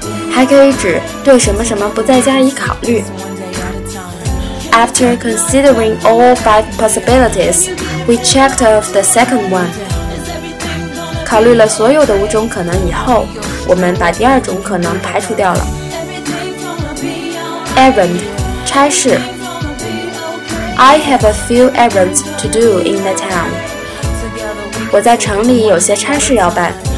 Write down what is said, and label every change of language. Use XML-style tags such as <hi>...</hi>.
<zh>还可以指对什么什么不再加以考虑。</zh> <en>After considering all five possibilities, we checked off the second one.</en> <zh>考虑了所有的五种可能以后，我们把第二种可能排除掉了。 Errand, 差事。</zh> <en>I have a few errands to do in the town.</en> <zh>我在城里有些差事要办。</zh>